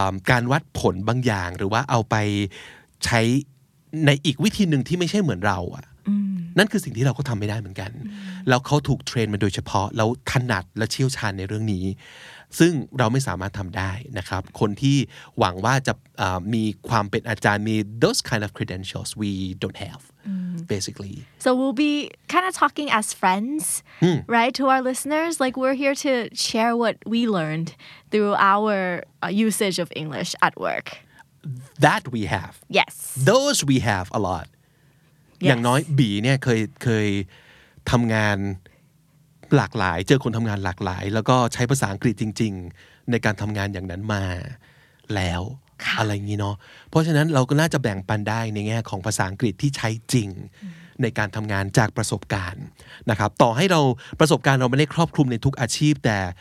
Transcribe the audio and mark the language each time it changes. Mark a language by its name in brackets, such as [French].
[Thai] การวัดผลบางอย่างหรือว่าเอาไปใช้ในอีกวิธีหนึ่งที่ไม่ใช่เหมือนเราอ่ะนั่นคือสิ่งที่เราก็ทำไม่ได้เหมือนกันแล้วเขาถูกเทรนมาโดยเฉพาะแล้วถนัดและเชี่ยวชาญในเรื่องนี้ซึ่งเราไม่สามารถทำได้นะครับคนที่หวังว่าจะมีความเป็นอาจารย์มี [English] those kind of credentials we don't haveBasically. So we'll be kind of talking as friends, right, to our listeners. Like we're here to share what we learned through our usage of English at work. That we have. Yes. Those we have a lot. Yes. อ [Thai] ย่างน้อยบีเนี่ยเคยทำงานหลากหลายเจอคนทำงานหลากหลายแล้วก็ใช้ภาษาอังกฤษจริงๆในการทำงานอย่างนั้นมาแล้วอะไรอย่างนี้เนาะเพราะฉะนั้นเราก็น่าจะแบ่งปันได้ในแง่ของภาษาอังกฤษที่ใช้จริงในการทำงานจากประสบการณ์นะครับต่อให้เราประสบการณ์เราไม่ได้ครอบคลุมในทุกอาชีพแต่